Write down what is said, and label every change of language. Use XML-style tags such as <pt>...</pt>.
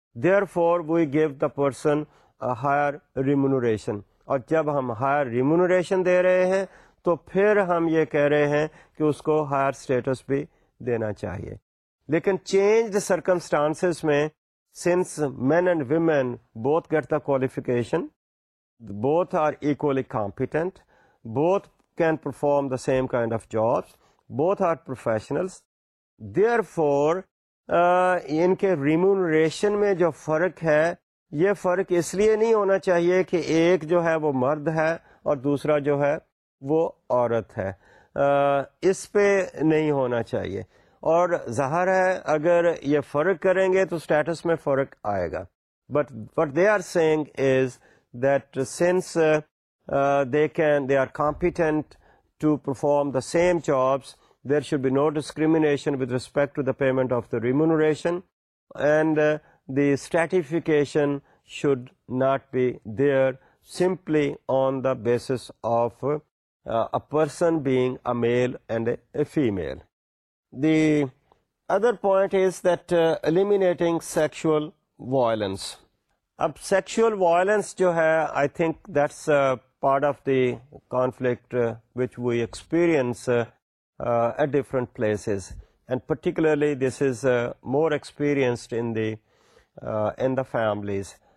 <en>Therefore we give the person higher remuneration.</en> <ur>اور جب ہم ہائر ریمونریشن دے رہے ہیں تو پھر ہم یہ کہہ رہے ہیں کہ اس کو ہائر اسٹیٹس بھی دینا چاہیے. لیکن چینجڈ سرکمسٹانسز میں,</ur> <en>since men and women both get the qualification, both are equally competent, both can perform the same kind of jobs, both are professionals, therefore</en> <ur>ان کے ریمونریشن میں جو فرق ہے یہ فرق اس لیے نہیں ہونا چاہیے کہ ایک جو ہے وہ مرد ہے اور دوسرا جو ہے وہ عورت ہے, اس پہ نہیں ہونا چاہیے. اور ظاہر ہے اگر یہ فرق کریں گے تو اسٹیٹس میں فرق آئے گا.</ur> <en>But what they are saying is that since they are competent to perform the same jobs, there should be no discrimination with respect to the payment of the remuneration, and the stratification should not be there simply on the basis of a person being a male and a female. The other point is that eliminating sexual violence.</en> <ur>Ab</ur> <en>sexual violence</en> <ur>jo hai,</ur> <en>I think that's part of the conflict which we experience at different places, and particularly this is more experienced in the families.</en>